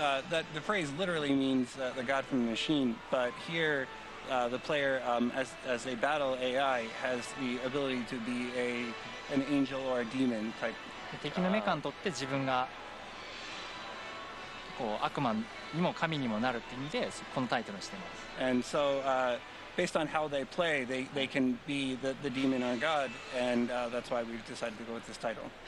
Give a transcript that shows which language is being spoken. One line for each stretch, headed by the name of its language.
English: That the phrase literally means the god from the machine, but here the player, as a battle AI, has the ability to be an angel or a demon type.
Japanese: 敵の目からとって自分がこう悪魔にも神にもなるって意味でこのタイトルにしています。
English: And so based on how they play, they can be the demon or god, and that's why we've decided to go with this title.